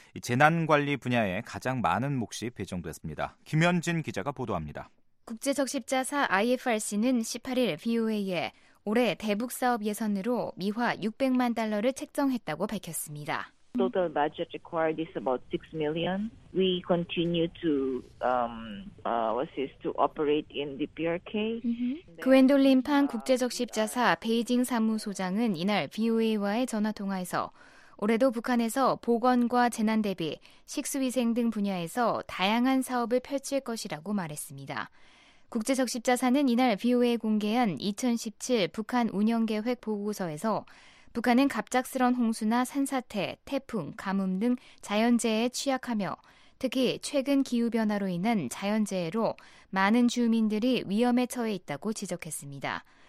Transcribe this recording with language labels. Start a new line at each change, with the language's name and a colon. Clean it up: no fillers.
Korean: 재난관리 분야에 가장 많은 몫이 배정됐습니다. 김현진 기자가 보도합니다. 국제적십자사 IFRC는 18일 VOA에 올해 대북사업 예산으로 미화 600만 달러를 책정했다고 밝혔습니다.
English: Total budget required is about 6 million. We continue to assist to operate in the PRK.
Korean: 그웬돌린 판 국제적십자사 베이징 사무소장은 이날 VOA와의 전화통화에서 올해도 북한에서 보건과 재난 대비, 식수위생 등 분야에서 다양한 사업을 펼칠 것이라고 말했습니다. 국제적십자사는 이날 VOA에 공개한 2017 북한 운영계획 보고서에서 북한은 갑작스런 홍수나 산사태, 태풍, 가뭄 등 자연재해에 취약하며 특히 최근 기후변화로 인한 자연재해로 많은 주민들이 위험에 처해 있다고 지적했습니다.